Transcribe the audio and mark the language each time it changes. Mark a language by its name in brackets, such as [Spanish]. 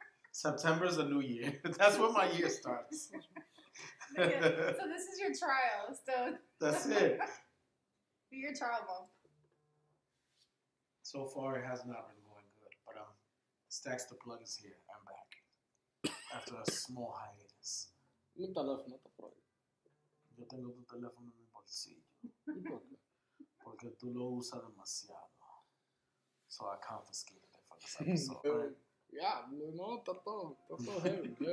[English] September is a new year. That's when my year starts. So this is your trial. So that's it. Be your trial. So far, it has not been going good. But Stacks the Plug is here. I'm back. After a small hiatus. [Spanish] Mi teléfono está por ahí. Yo tengo tu teléfono en mi bolsillo. Porque tú lo usas demasiado. [English] So I confiscated it for this episode. Yeah, you know, that's all heavy.